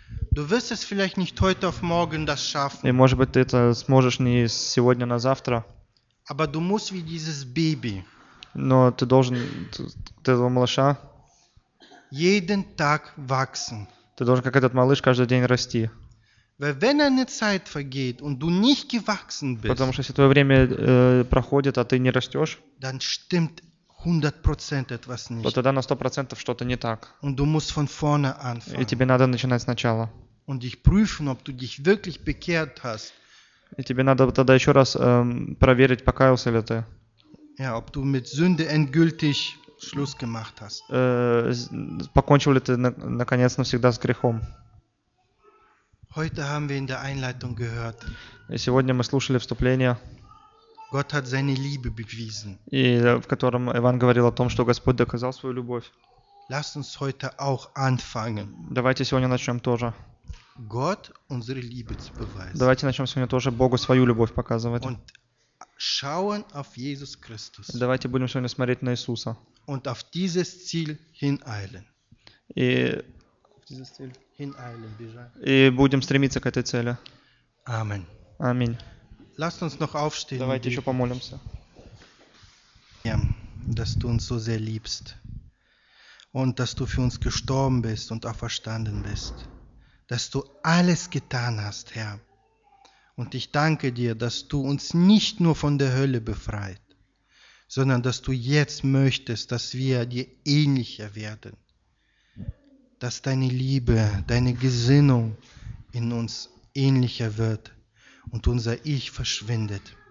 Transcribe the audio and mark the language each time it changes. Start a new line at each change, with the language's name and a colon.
German: Du wirst es vielleicht nicht heute auf morgen das schaffen.
Russian: И может быть ты это сможешь не сегодня, на завтра.
German: Aber du musst wie dieses Baby.
Russian: Но ты должен, ты этого малыша.
German: Jeden Tag wachsen.
Russian: Ты должен, как этот малыш, каждый день расти.
German: Weil wenn eine Zeit vergeht und du nicht gewachsen bist,
Russian: потому что если твое время проходит, а ты не растешь,
German: dann stimmt 100% etwas nicht.
Russian: То тогда на 100% что-то не так.
German: Und du musst von vorne anfangen.
Russian: И тебе надо начинать сначала.
German: Und dich prüfen, ob du dich wirklich bekehrt hast.
Russian: И тебе надо тогда еще раз проверить, покаялся ли ты.
German: Ja, ob du mit Sünde endgültig Schluss gemacht hast.
Russian: Покончил ли ты наконец навсегда с грехом.
German: Heute haben wir in der Einleitung gehört.
Russian: И сегодня мы слушали вступление.
German: Gott hat seine Liebe bewiesen.
Russian: И в котором Иван говорил о том, что Господь доказал свою любовь.
German: Lass uns heute auch anfangen.
Russian: Давайте сегодня начнем тоже.
German: Gott unsere Liebe zu beweisen.
Russian: Давайте начнем сегодня тоже Богу свою любовь показывать.
German: Und schauen auf Jesus Christus.
Russian: Давайте будем сегодня смотреть на Иисуса.
German: Und auf dieses Ziel hineilen.
Russian: И будем стремиться к этой цели. Аминь.
German: Lasst uns noch aufstehen.
Russian: Давайте еще помолимся.
German: Ja, dass du uns so sehr liebst und dass du für uns gestorben bist und auferstanden bist, dass du alles getan hast, Herr. Und ich danke dir, dass du uns nicht nur von der Hölle befreit, sondern dass du jetzt möchtest, dass wir dir ähnlicher werden, dass deine Liebe, deine Gesinnung in uns ähnlicher wird und unser Ich verschwindet.